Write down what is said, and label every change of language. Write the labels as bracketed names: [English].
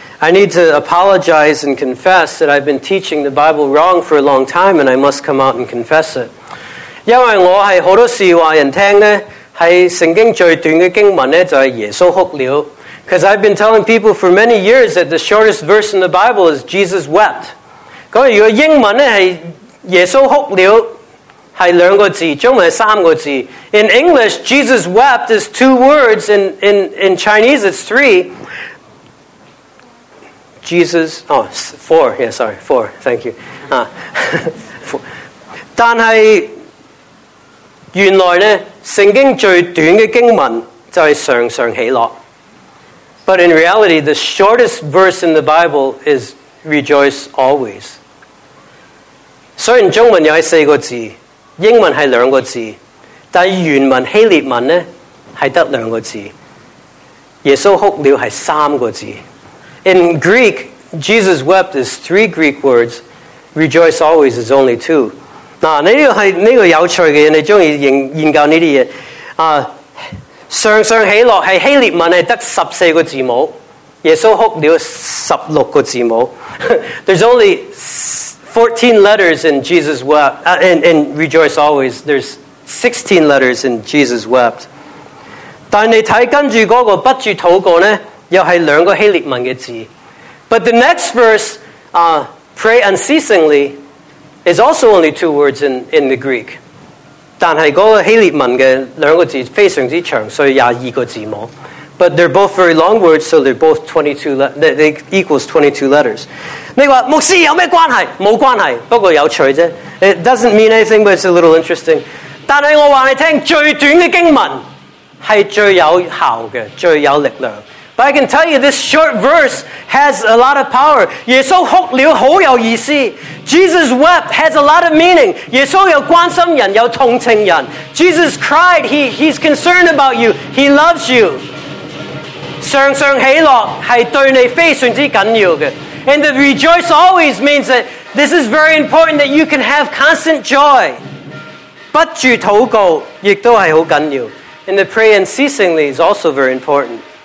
[English] I need to apologize and confess that I've been teaching the Bible wrong for a long time and I must come out and confess it. [Chinese] 因为我是好多事话人听呢，是圣经最短的经文呢，就是耶稣哭了。 [English] Because I've been telling people for many years that the shortest verse in the Bible is Jesus wept. [Chinese] 咁如果英文呢，是耶稣哭了是两个字，中文是三个字。 [English] In English, Jesus wept is two words. In Chinese, it's three. Four. Thank you. [Chinese] 但是原来呢，圣经最短的经文就是常常喜乐。 [English] But in reality, the shortest verse in the Bible is rejoice always. [Chinese] 所以中文有四个字。英文是两个字，但原文希腊文呢是得两个字。耶稣哭了是三个字。 [English] In Greek, Jesus wept is three Greek words. Rejoice always is only two. [Chinese] 这个有趣的，你喜欢研究这些常常喜乐是希腊文是得十四个字母，耶稣哭了十六个字母。 [English] There's only 14 letters in Jesus wept, in Rejoice Always, there's 16 letters in Jesus wept. [Chinese] 但你看跟着那个不住祷告呢，又是两个希腊文的字。 [English] But the next verse, pray unceasingly, is also only two words in the Greek. [Chinese] 但是那个希腊文的两个字非常之长，所以22个字母。 [English] But they're both very long words, so they're both 22, they equals 22 letters. [Chinese] 你说, 牧师有什么关系?没关系, 不过有趣而已。 [English] It doesn't mean anything, but it's a little interesting. [Chinese] 但是我告诉你, 最短的经文是最有效的, 最有力量。 [English] But I can tell you this short verse has a lot of power. [Chinese] 耶稣哭了很有意思。 [English] Jesus wept has a lot of meaning. [Chinese] 耶稣有关心人，有同情人。 [English] Jesus cried, he's concerned about you, he loves you. [Chinese] 常常喜乐是对你非常之重要的。 [English] And the rejoice always means that this is very important that you can have constant joy. [Chinese] 不住祷告也都是很重要。 [English] And the pray unceasingly is also very important.